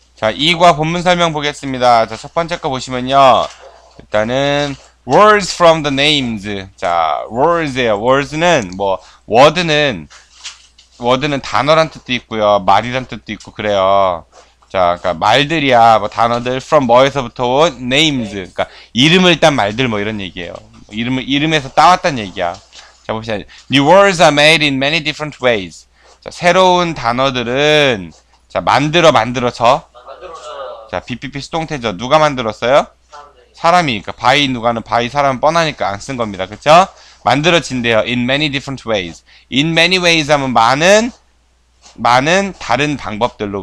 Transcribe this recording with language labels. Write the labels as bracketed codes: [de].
[ko] 자, 2과 본문 설명 보겠습니다. 자, 첫 번째 거 보시면요. 일단은, [en] words from the names. [ko] 자, words예요. words는, 뭐, word는 단어란 뜻도 있고요. 말이란 뜻도 있고, 그래요. 자, 그러니까 말들이야. 뭐, 단어들. from 뭐에서부터 온 names. 그러니까, 이름을 딴 말들, 뭐, 이런 얘기예요. 이름에서 따왔단 얘기야. 자, 봅시다. [en] New words are made in many different ways. [ko] 자, 새로운 단어들은, 자, 만들어져. 자, BPP 수동태죠. 누가 만들었어요? 사람이니까. 바이 누가는 바이 사람은 뻔하니까 안쓴 겁니다. 그쵸? 만들어진대요. [en] In many different ways. In many ways [ko] 하면 많은 다른 방법들로.